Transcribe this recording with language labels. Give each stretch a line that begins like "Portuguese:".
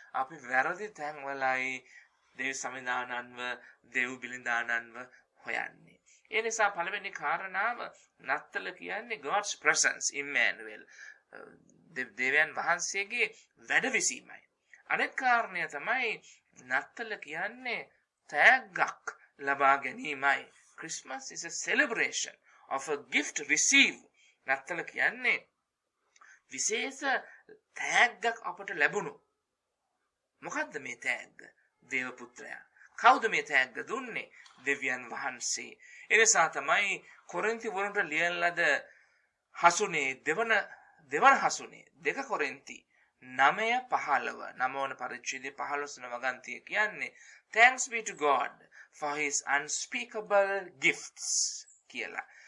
Sinhala: අපි වැරදි තැන්වලයි දේව සමිඳානන්ව දේව් බිලිඳානන්ව හොයන්නේ. ඒ නිසා පළවෙනි කාරණාව නත්තල කියන්නේ
English: God's presence,
Sinhala: Immanuel, දෙවියන් වහන්සේගේ වැඩවිසීමයි. අනෙක් කාරණය තමයි නත්තල කියන්නේ තෑග්ගක් ලබා ගැනීමයි.
English: Christmas is a celebration of a gift received.
Sinhala: නත්තල කියන්නේ විශේෂ තෑග්ගක් අපට ලැබුණු. මොකද්ද මේ තෑග්ග? දේව පුත්‍රයා. කවුද මේ තෑග්ග දුන්නේ? දෙවියන් වහන්සේ. එනිසා තමයි කොරින්ති වරුන්ට ලියන ලද හසුනේ දෙවන හසුනේ 2 කොරින්ති 9:15 නමවන පරිච්ඡේදයේ 15 වගන්තිය කියන්නේ
English: Thanks be to God for his unspeakable gifts
Sinhala: කියලා.